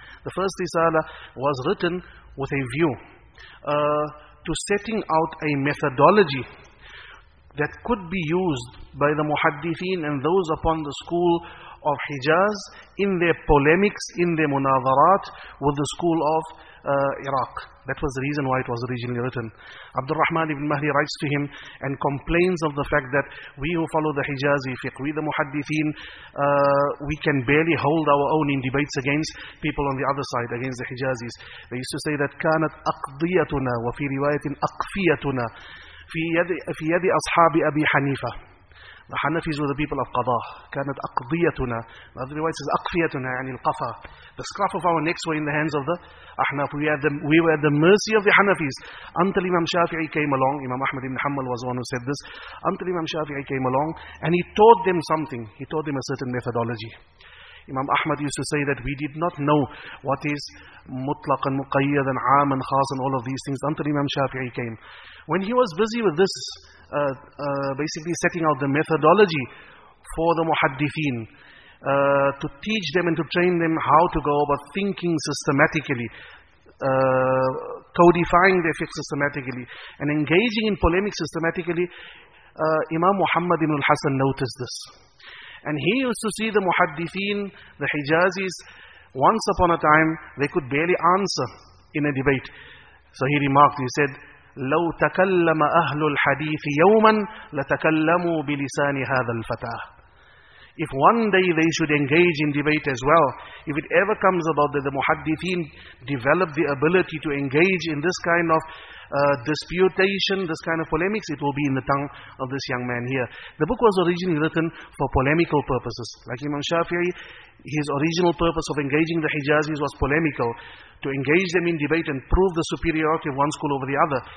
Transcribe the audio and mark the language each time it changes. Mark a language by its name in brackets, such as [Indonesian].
[English] The first Risala was written with a view to setting out a methodology that could be used by the muhaddithin and those upon the school of Hijaz in their polemics, in their munadharat with the school of Iraq. That was the reason why it was originally written. Abdul Rahman ibn Mahdi writes to him and complains of the fact that we who follow the Hijazi fiqh, we the muhaddithin, we can barely hold our own in debates against people on the other side, against the Hijazis. They used to say that [Arabic] كانت أقضيتنا وفي رواية أقفيتنا في يد أصحاب أبي حنيفة. [English] The Hanafis were the people of Qadha. [Arabic] كانت أقضيتنا. [English] The other way it says أقفيتنا, [Arabic] يعني القفا. [English] The scruff of our necks were in the hands of the Ahnaf. We were at the mercy of the Hanafis. Until Imam Shafi'i came along, Imam Ahmad ibn Hanbal was the one who said this. Until Imam Shafi'i came along, and he taught them something. He taught them a certain methodology. Imam Ahmad used to say that we did not know what is mutlaq and muqayyad and aam and khas and all of these things until Imam Shafi'i came. When he was busy with this, basically setting out the methodology for the muhaddithin, to teach them and to train them how to go about thinking systematically, codifying their fiqh systematically, and engaging in polemics systematically, Imam Muhammad ibn al-Hasan noticed this. And he used to see the muhaddithin, the Hijazis, once upon a time, they could barely answer in a debate. So he remarked, he said, [Arabic] لو تكلم أهل الحديث يوما لتكلموا بلسان هذا الفتاة. [English] If one day they should engage in debate as well, if it ever comes about that the muhaddithin develop the ability to engage in this kind of disputation, this kind of polemics, it will be in the tongue of this young man here. The book was originally written for polemical purposes. Like Imam Shafi'i, his original purpose of engaging the Hijazis was polemical, to engage them in debate and prove the superiority of one school over the other.